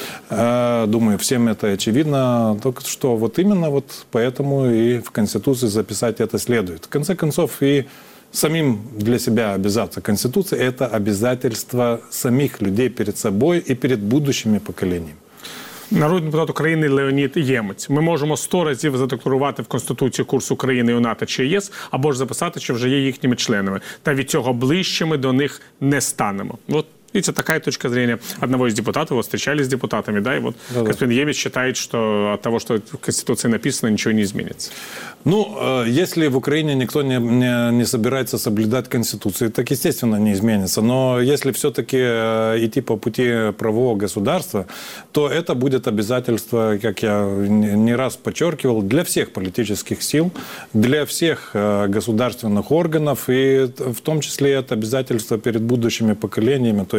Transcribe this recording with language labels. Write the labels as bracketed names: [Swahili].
[Russian] Думаю, всем это очевидно. Только что вот именно вот поэтому и в Конституции записать это следует. В конце концов, и самим для себя обязаться. Конституция – это обязательство самих людей перед собой и перед будущими поколениями. [Ukrainian] Народний депутат України Леонід Ємець. Ми можемо 100 разів задекларувати в Конституції курс України у НАТО чи ЄС, або ж записати, що вже є їхніми членами. Та від цього ближчими до них не станемо. От. [Russian] И это такая точка зрения одного из депутатов. Вот встречались с депутатами, да, и вот господин Ємець считает, что от того, что в Конституции написано, ничего не изменится. Ну, если в Украине никто не собирается соблюдать Конституцию, так, естественно, не изменится. Но если все-таки идти по пути правового государства, то это будет обязательство, как я не раз подчеркивал, для всех политических сил, для всех государственных органов, и в том числе это обязательство перед будущими поколениями, то